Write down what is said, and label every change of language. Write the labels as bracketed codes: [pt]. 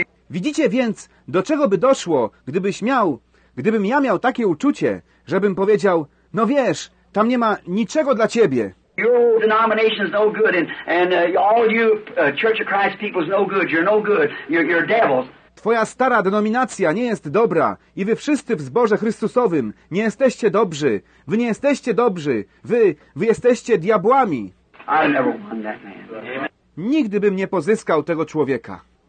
[pl] Widzicie więc, do czego by doszło, gdybym ja miał takie uczucie, żebym powiedział, no wiesz, tam nie ma niczego dla ciebie. [en] Your denomination is no good, and all you Church of Christ people is no good. You're no good. You're devils. [pl] Twoja stara denominacja nie jest dobra i wy wszyscy w zborze Chrystusowym nie jesteście dobrzy. Wy nie jesteście dobrzy. Wy jesteście diabłami. [en] I never won that man. [pl] Nigdy bym nie pozyskał tego człowieka.